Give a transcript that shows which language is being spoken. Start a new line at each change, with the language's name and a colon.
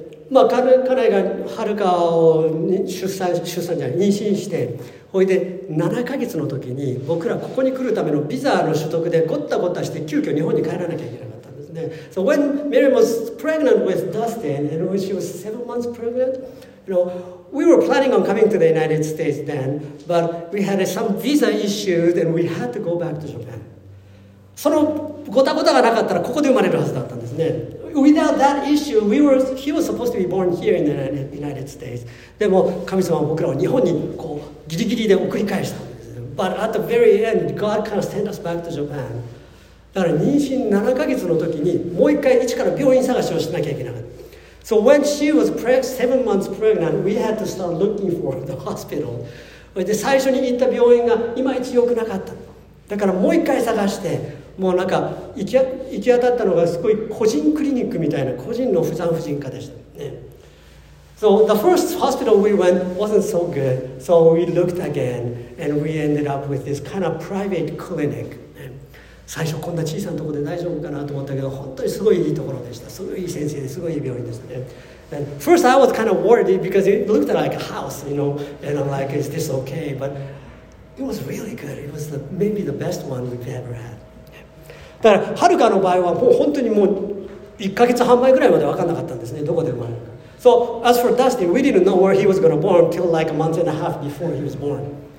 Japanese: まあ、家内がはるかを出産じゃない、妊娠して、ほいで7ヶ月の時に、僕らここに来るためのビザの取得でごったごったして、急遽日本に帰らなきゃいけなかったんですね。
English: So when Miriam was pregnant with Dustin, and when she was 7 months pregnant, you know,We were planning on coming to the United States then, but we had some visa issues and we had to go back to Japan.
Japanese: そのごたごたがなかったらここで生まれるはずだったんですね。
English: Without that issue, he was supposed to be born here in the United States.
Japanese: でも神様は僕らを日本にこうギリギリで送り返したんです。
English: But at the very end, God kind of sent us back to Japan.
Japanese: だから妊娠7ヶ月の時にもう一回一から病院探しをしなきゃいけなかった。
English: So when she was seven months pregnant, we had to start looking for the hospital.
Japanese: で、最初に行った病院がいまいち良くなかった。だからもう一回探して、もうなんか行き当たったのがすごい個人クリニックみたいな、個人の婦人科でした、ね。
English: So the first hospital we went wasn't so good. So we looked again and we ended up with this kind of private clinic.
Japanese: 最初こんな小さなところで大丈夫かなと思ったけど、本当にすごいいいところでした。すごいいい先生で、すごいいい病院でしたね。
English: And first I was kind of worried because it looked like a house, you know, and I'm like, is this okay? But it was really good. It was maybe the best one we've ever had.
Japanese: だから、はるかの場合はもう本当にもう1ヶ月半前ぐらいまで分かんなかったんですね、どこで生まれるか。
English: So as for Dustin, we didn't know where he was going to born till like a month and a half before he was born.